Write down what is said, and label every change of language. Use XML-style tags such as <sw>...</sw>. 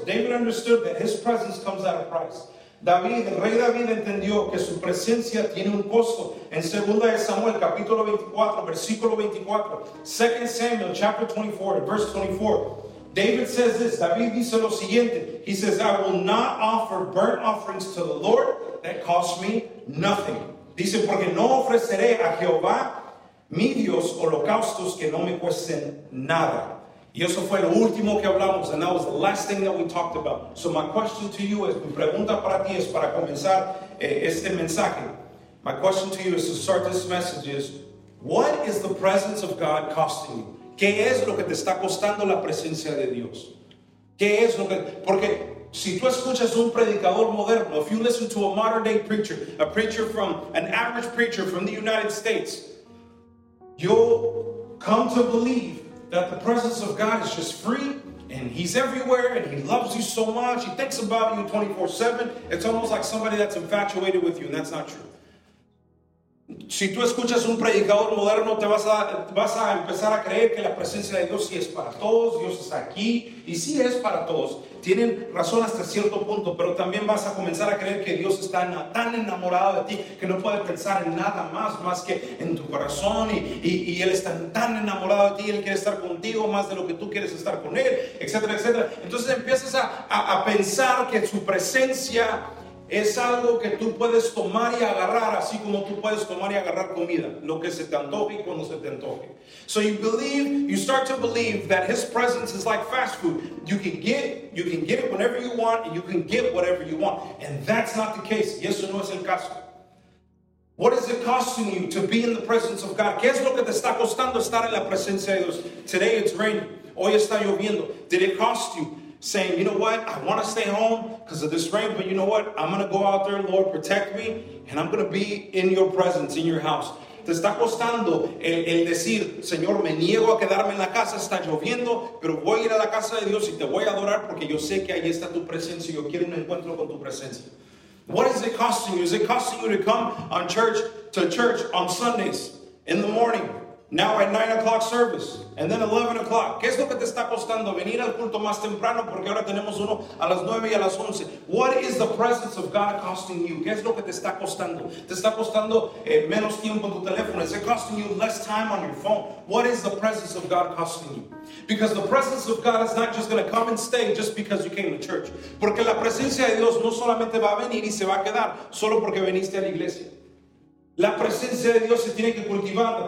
<en>David understood that his presence comes at a price.</en> <es>David, el rey David, entendió que su presencia tiene un costo. En 2 Samuel, capítulo 24, versículo 24.</es> <en>2 Samuel, chapter 24, verse 24. David says this.</en> <es>David dice lo siguiente.</es> <en>He says, I will not offer burnt offerings to the Lord that cost me nothing.</en> <es>Dice, porque no ofreceré a Jehová mi Dios holocaustos que no me cuesten nada. Y eso fue lo último que hablamos,</es> <en>and that was the last thing that we talked about. So my question to you is,</en> <es>mi pregunta para ti es, para comenzar este mensaje,</es> <en>my question to you is to start this message is, what is the presence of God costing you?</en> <es>¿Qué es lo que te está costando la presencia de Dios? ¿Qué es lo que...? Porque si tú escuchas un predicador moderno,</es> <en>if you listen to a modern day preacher, a preacher from, an average preacher from the United States, you'll come to believe that the presence of God is just free, and he's everywhere, and he loves you so much, he thinks about you 24/7. It's almost like somebody that's infatuated with you, and that's not true.</en> <es>Si tú escuchas un predicador moderno, te vas a empezar a creer que la presencia de Dios sí es para todos, Dios está aquí, y sí es para todos. Tienen razón hasta cierto punto, pero también vas a comenzar a creer que Dios está tan enamorado de ti que no puede pensar en nada más que en tu corazón, y Él está tan enamorado de ti, Él quiere estar contigo más de lo que tú quieres estar con Él, etcétera, etcétera. Entonces empiezas a pensar que su presencia es algo que tú puedes tomar y agarrar, así como tú puedes tomar y agarrar comida, lo que se te antoje y cuando se te antoje.</es> <en>So you start to believe that his presence is like fast food. You can get it whenever you want, and you can get whatever you want. And that's not the case.</en> <es>Y eso no es el caso.</es> <en>What is it costing you to be in the presence of God?</en> <es>¿Qué es lo que te está costando estar en la presencia de Dios?</es> <en>Today it's raining.</en> <es>Hoy está lloviendo.</es> <en>Did it cost you? Saying, you know what, I want to stay home because of this rain, but you know what, I'm going to go out there, Lord, protect me, and I'm going to be in your presence, in your house.</en> <es>Te está costando el decir, Señor, me niego a quedarme en la casa, está lloviendo, pero voy a ir a la casa de Dios y te voy a adorar porque yo sé que ahí está tu presencia y yo quiero un encuentro con tu presencia.</es> <en>What is it costing you? Is it costing you to come on church to church on Sundays in the morning? Now at 9 o'clock service, and then 11 o'clock.</en> <es>¿Qué es lo que te está costando venir al culto más temprano? Porque ahora tenemos uno a las 9 y a las 11. What is the presence of God costing you? ¿Qué es lo que te está costando? ¿Te está costando menos tiempo en tu teléfono?</es> <en>Is it costing you less time on your phone? What is the presence of God costing you? Because the presence of God is not just going to come and stay just because you came to church.</en> <es>Porque la presencia de Dios no solamente va a venir y se va a quedar solo porque viniste a la iglesia. La presencia de Dios se tiene que cultivar.</es>